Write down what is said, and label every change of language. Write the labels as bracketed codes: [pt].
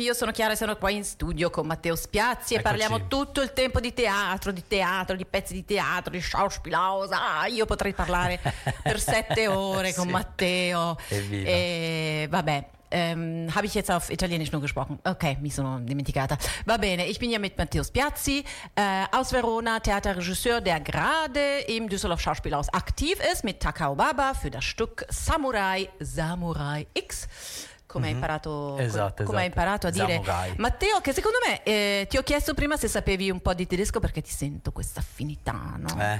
[it] Io sono Chiara e sono qua in studio con Matteo Spiazzi. Eccoci. E parliamo tutto il tempo di teatro, di teatro, di pezzi di teatro, di Schauspielhaus. Ah, io potrei parlare per sette ore con Matteo. Evviva. E vabbè. [de] Habe ich jetzt auf Italienisch nur gesprochen? [it] Okay, mi sono dimenticata. Va bene, [de] ich bin ja mit Matteo Spiazzi aus Verona, Theaterregisseur, der gerade im Düsseldorf Schauspielhaus aktiv ist mit Takao Baba für das Stück Samurai, Samurai X. [it] Come hai imparato, esatto. Hai imparato a dire Samurai. Matteo, che secondo me ti ho chiesto prima se sapevi un po' di tedesco perché ti sento questa affinità, no?